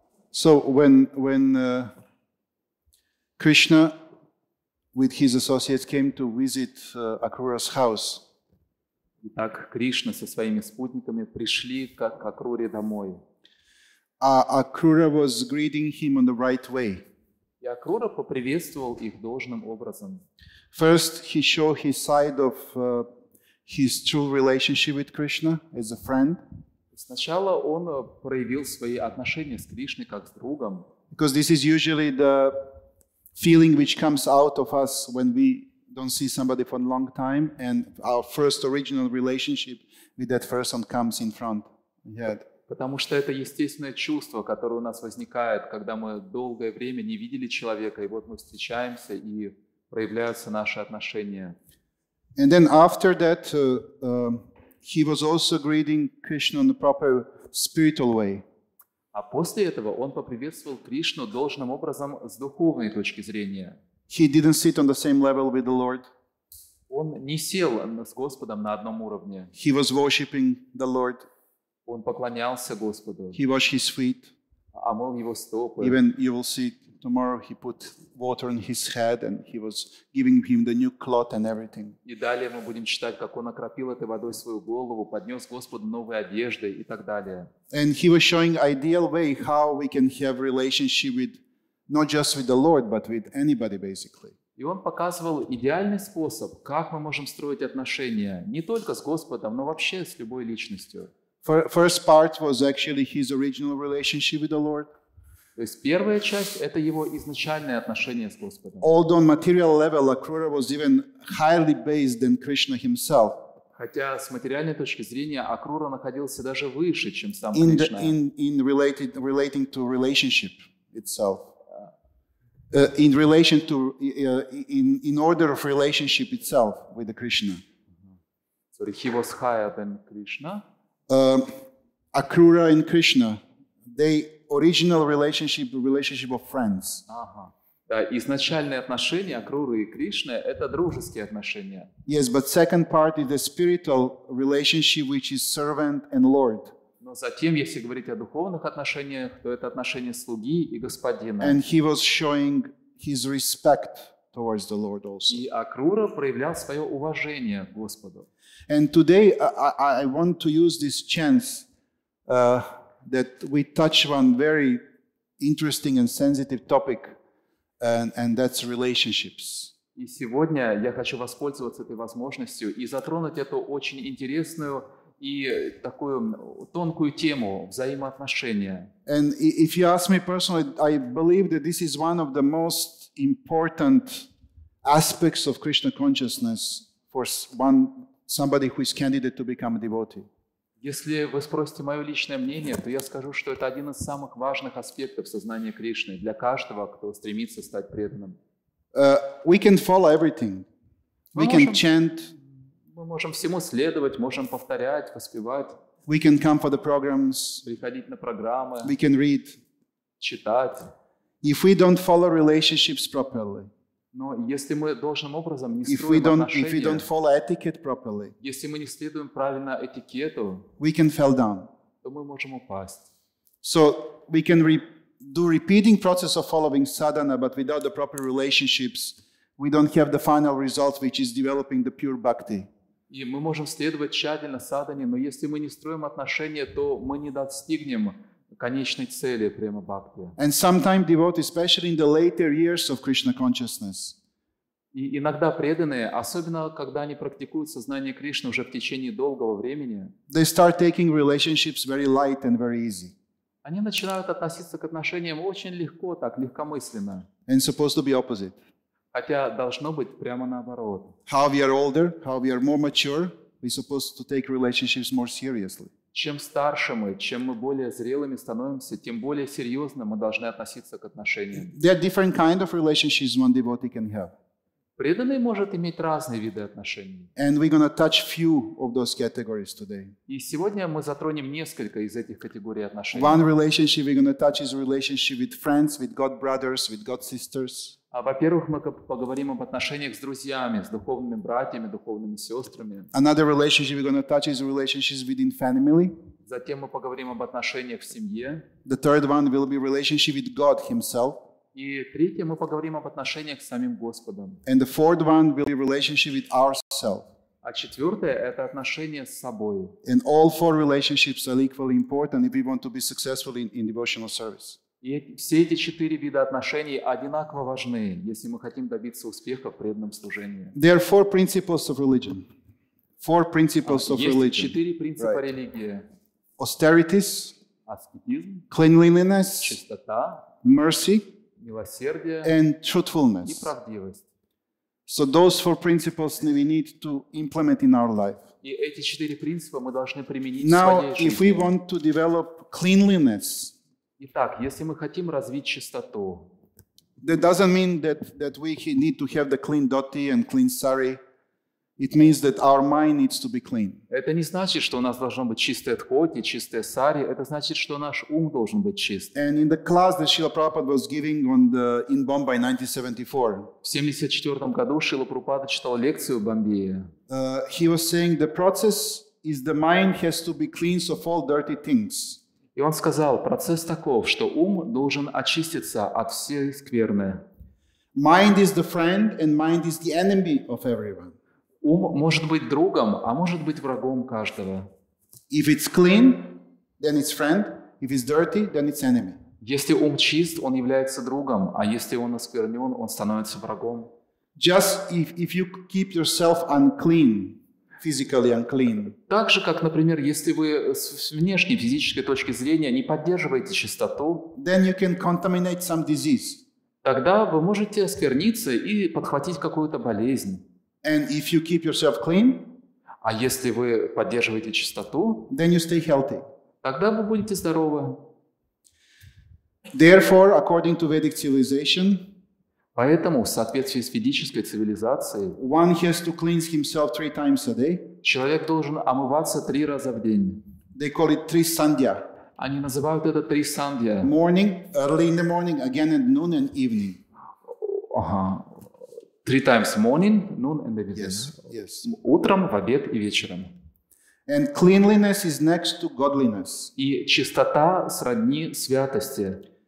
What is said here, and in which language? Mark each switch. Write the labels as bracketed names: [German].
[English] So when Krishna with his associates came to visit Akrura's house. [Russian] Итак, Кришна со своими спутниками пришли к Акруре домой. [English] Akrura was greeting him in the right way. [Russian] И Акрура поприветствовал их должным образом. [English] First he showed his side of his true relationship with Krishna as a friend. [Russian] Сначала он проявил свои отношения с Кришной как с другом. [English] Because this is usually the feeling which comes out of us when we don't see somebody for a long time, and our first original relationship with that person comes in front. Yeah. [Russian] Потому что это естественное чувство, которое у нас возникает, когда мы долгое время не видели человека, и вот мы встречаемся, и проявляются наши отношения. [English] And then after that, he was also greeting Krishna in the proper spiritual way. [Russian] А после этого он поприветствовал Кришну должным образом с духовной точки зрения. [English] He didn't sit on the same level with the Lord. [Russian] Он не сел с Господом на одном уровне. [English] He was worshiping the Lord. [Russian] Он поклонялся Господу. [English] He washed his feet. [Russian] Омыл его стопы. [English] Even you will see tomorrow he put water on his head and he was giving him the new cloth and everything. [Russian] И далее мы будем читать, как он окропил этой водой свою голову, поднес Господу новые одежды и так далее. [English] And he was showing ideal way how we can have relationship with not just with the Lord but with anybody basically. [Russian] И он показывал идеальный способ, как мы можем строить отношения не только с Господом, но вообще с любой личностью. [English] First part was actually his original relationship with the Lord. [Russian] То есть первая часть — это его изначальное отношение с Господом. [English] Although on material level Akrura was even highly based than Krishna himself. [Russian] Хотя с материальной точки зрения Акрура находился даже выше, чем сам [English] in [Russian] Кришна. [English] The, in related relating to relationship itself. In relation to in order of relationship itself with the Krishna. So he was higher than Krishna. Akrura and Krishna, they original relationship, the relationship of friends. [Russian] Ага. Да, изначальные отношения Акруры и Кришны — это дружеские отношения. [English] Yes, but second part is the spiritual relationship, which is servant and lord. [Russian] Но затем, если говорить о духовных отношениях, то это отношения слуги и господина. [English] And he was showing his respect towards the Lord also. [Russian] И Акрура проявлял свое уважение к Господу. [English] And today I want to use this chance that we touch one very interesting and sensitive topic, and that's relationships. [Russian] И сегодня я хочу воспользоваться этой возможностью и затронуть эту очень интересную и такую тонкую тему взаимоотношения. [English] And if you ask me personally, I believe that this is one of the most important aspects of Krishna consciousness for one somebody who is candidate to become a devotee. [Russian] Если вы спросите мое личное мнение, то я скажу, что это один из самых важных аспектов сознания Кришны для каждого, кто стремится стать преданным. [English] We can follow everything. We can chant. [Russian] Мы можем всему следовать, можем повторять, воспевать. [English] We can come for the programs. [Russian] Приходить на программы. [English] We can read. [Russian] Читать. [English] If we don't follow relationships properly. [Russian] Но если мы должным образом не строим отношения, [English] if we don't follow etiquette properly, [Russian] если мы не следуем правильно этикету, [English] we can fall down. [Russian] То мы можем упасть. [English] So we can do repeating process of following sadhana, but without the proper relationships, we don't have the final result, which is developing the pure bhakti. [Russian] И мы можем следовать тщательно садхане, но если мы не строим отношения, то мы не достигнем конечной цели према бхакти. [English] And sometimes devotees, especially in the later years of Krishna consciousness. [Russian] И иногда преданные, особенно когда они практикуют сознание Кришны уже в течение долгого времени, [English] they start taking relationships very light and very easy. [Russian] Они начинают относиться к отношениям очень легко, так легкомысленно. [English] And supposed to be opposite. [Russian] Хотя должно быть прямо наоборот. [English] How we are older, how we are more mature, we're supposed to take relationships more seriously. [Russian] Чем старше мы, чем мы более зрелыми становимся, тем более серьезно мы должны относиться к отношениям. [English] There are different kinds of relationships one devotee can have. [Russian] Преданный может иметь разные виды отношений. [English] And we're going to touch few of those categories today. [Russian] И сегодня мы затронем несколько из этих категорий отношений. [English] One relationship we're going to touch is relationship with friends, with God brothers, with God sisters. [Russian] А во-первых, мы поговорим об отношениях с друзьями, с духовными братьями, духовными сестрами. [English] Another relationship we're going to touch is relationships within family. [Russian] Затем мы поговорим об отношениях в семье. [English] The third one will be relationship with God himself. [Russian] И третье, мы поговорим об отношениях с самим Господом. [English] And the fourth one will be relationship with ourselves. [Russian] А четвертое – это отношения с собой. [English] And all four relationships are equally important if we want to be successful in devotional service. [Russian] И все эти четыре вида отношений одинаково важны, если мы хотим добиться успеха в преданном служении. [English] There are four principles of religion. Four principles of religion. [Russian] Есть четыре принципа right. религии. [English] Austerities. [Russian] Аскетизм. [English] Cleanliness. [Russian] Чистота. [English] Mercy. [Russian] Милосердие. [English] And truthfulness. [Russian] И правдивость. [English] So those four principles we need to implement in our life. [Russian] И эти четыре принципа мы должны применить [English] Now, [Russian] в своей жизни. [English] If we want to develop cleanliness, [Russian] Итак, если мы хотим развить чистоту, [English] that doesn't mean that we need to have the clean dhoti and clean sari. It means that our mind needs to be clean. [Russian] Это не значит, что у нас должно быть чистое дхоти, чистое сари. Это значит, что наш ум должен быть чист. [English] And in the class that Srila Prabhupada was giving on the, in Bombay 1974, [Russian] в 1974 году Шрила Прабхупада читал лекцию в Бомбее. [English] He was saying the process is the mind has to be clean of all dirty things. [Russian] И он сказал, процесс таков, что ум должен очиститься от всей скверны. [English] Mind is the friend and mind is the enemy of everyone. [Russian] Ум может быть другом, а может быть врагом каждого. [English] If it's clean, then it's friend. If it's dirty, then it's enemy. [Russian] Если ум чист, он является другом, а если он осквернен, он становится врагом. [English] Just if you keep yourself unclean, physically unclean. [Russian] Так же, как, например, если вы с внешней физической точки зрения не поддерживаете чистоту, [English] then you can contaminate some disease. [Russian] Тогда вы можете оскверниться и подхватить какую-то болезнь. [English] And if you keep yourself clean, [Russian] а если вы поддерживаете чистоту, [English] then you stay healthy. [Russian] Тогда вы будете здоровы. [English] Therefore, according to Vedic civilization, [Russian] поэтому, в соответствии с ведической цивилизацией, [English] one has to cleanse himself three times a day. [Russian] Человек должен омываться три раза в день. [English] They call it three sandhya. [Russian] Они называют это три сандья. [English] Morning, early in the morning, again at noon and evening. Three times morning, noon and evening. Yes, yes. [Russian] Утром, в обед и вечером. [English] And cleanliness is next to godliness. [Russian] И чистота сродни святости.